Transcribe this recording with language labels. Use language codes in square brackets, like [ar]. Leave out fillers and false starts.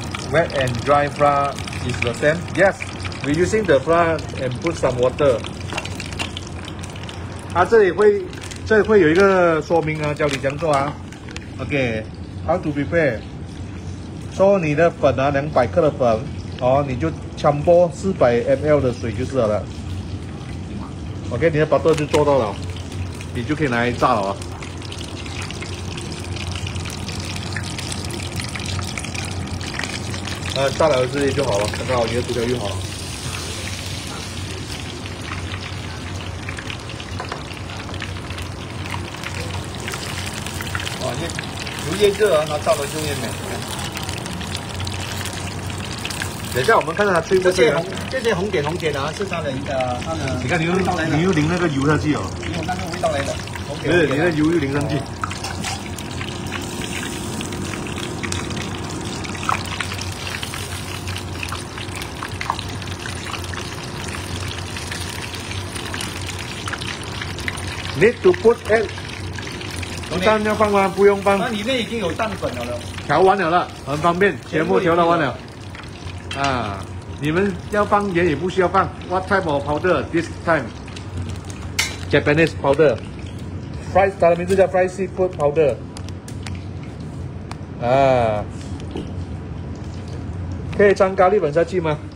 [en] Wet and dry flour is the same. Yes, we using the flour and put some water. [zh] 啊，这里会有一个说明啊，教你怎么做啊。 [en] OK, how to prepare? [zh] So 你的粉啊，两百克的粉，哦，你就冲泡四百 ml 的水就是了。 OK, 你的 butter 就做到了，你就可以拿来炸了啊。炸了这些就好了，刚好你的薯条用好了。哇，越油越热啊，它炸的就越美。等一下，我们看看它脆不脆。这些红点红点的啊，是它的它的。你看你又淋那个油上去哦。你有那个味道来的。对，红点红点你的油又淋上去。 [en] 哦Need to put egg， [zh] 蛋要放吗？不用放。那里面已经有蛋粉了。调完了了，很方便，全部调到完了。啊，你们要放盐也不需要放。 [en] What type of powder this time？ Japanese powder， fry， [zh] 它的名字叫 [en] fry seafood powder。 [zh] 啊，可以掺咖喱粉下去吗？